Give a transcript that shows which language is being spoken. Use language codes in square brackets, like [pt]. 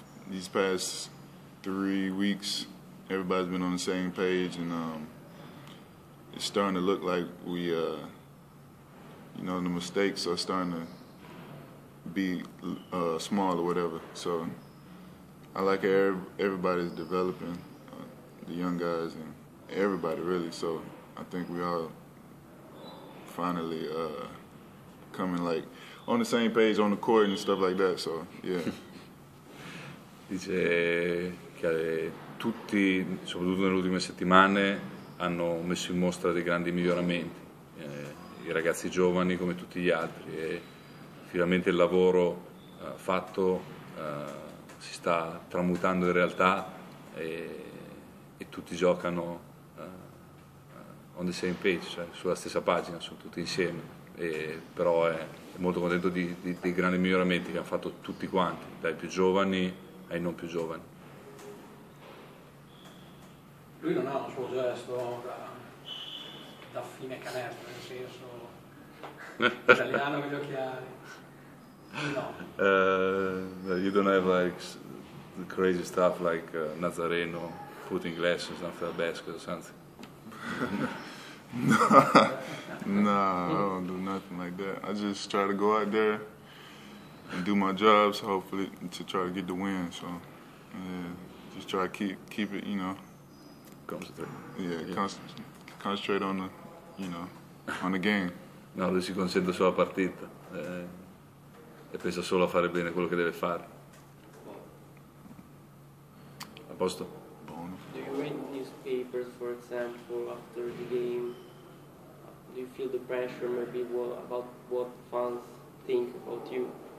[en] These past 3 weeks, everybody's been on the same page, and it's starting to look like we, you know, the mistakes are starting to be small or whatever. So I like everybody's developing, the young guys and everybody really. So I think we all finally coming like on the same page on the court and stuff like that. So yeah. [it] Dice che tutti, soprattutto nelle ultime settimane, hanno messo in mostra dei grandi miglioramenti. I ragazzi giovani come tutti gli altri e finalmente il lavoro fatto. Si sta tramutando in realtà e tutti giocano [en] on the same page, [it] cioè sulla stessa pagina, sono tutti insieme. E, però è molto contento dei grandi miglioramenti che hanno fatto tutti quanti, dai più giovani ai non più giovani. Lui non ha un suo gesto da fine canestro, nel senso italiano con gli occhiali. No. [en] You don't have like the crazy stuff like Nazareno putting glasses after a basket or something. No, I don't do nothing like that. I just try to go out there and do my jobs, hopefully to try to get the win. So yeah, just try to keep it, you know. Concentrate. Yeah, concentrate on the, you know, on the game. [it] No, lui si concentra sulla partita. E pensa solo a fare bene quello che deve fare. A posto? Buono. [en] Do you read newspapers, for example, after the game? Do you feel the pressure maybe about what fans think about you?